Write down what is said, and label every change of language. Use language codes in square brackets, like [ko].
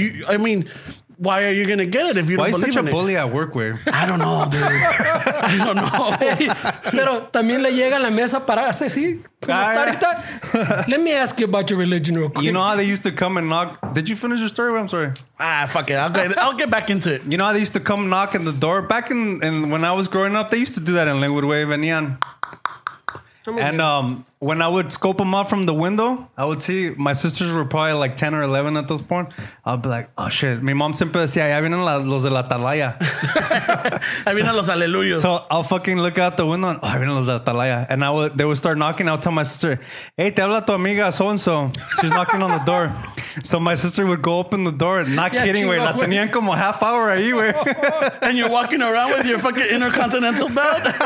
[en] I mean, why are you going to get it if you why don't believe in it? Why are you such a bully at work, where? I don't know, dude. I don't know. [es] Pero también le llega a la mesa para hacer así. [en] Let me ask you about your religion real quick. You know how they used to come and knock? Did you finish your story? I'm sorry. Ah, fuck it. I'll get back into it. You know how they used to come knock on the door? Back in when I was growing up, they used to do that in Linwood Way, Venian. And when I would scope them out from the window, I would see my sisters were probably like 10 or 11 at this point. I'd be like, oh shit. [es] Mi mom siempre decía, ya vienen los de la Atalaya. Ya vienen los aleluyos. [en] So I'll fucking look out the window and, oh, [es] ya vienen los de la Atalaya. [en] And they would start knocking. I would tell my sister, hey, [es] te habla tu amiga [en] so and so. She's knocking on the door. So my sister would go open the door, not yeah, kidding, güey. [es] La tenían como [en] half hour [es] ahí, güey. [en] And you're walking around with your fucking intercontinental belt?